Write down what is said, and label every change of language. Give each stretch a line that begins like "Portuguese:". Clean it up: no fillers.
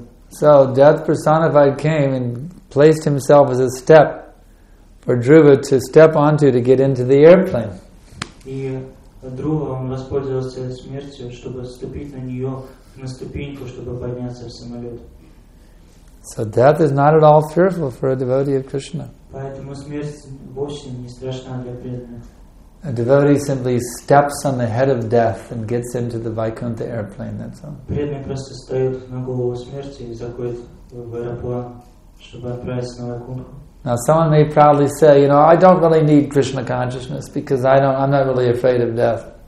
English: So death personified came and placed himself as a step for Dhruva to step onto to get into the airplane.
Russian: И Друва он воспользовался смертью, чтобы ступить на нее, на ступеньку, чтобы подняться в самолет.
English: So death is not at all fearful for a devotee of Krishna.
Russian: Поэтому смерть вовсе не страшна для преданных.
English: A devotee simply steps on the head of death and gets into the Vaikuntha airplane, that's all.
Russian: Преданный просто встает на голову смерти и заходит в аэроплан, чтобы отправиться на Вайкунту.
English: Now, someone may proudly say, you know, I don't really need Krishna consciousness because I'm not really afraid of death.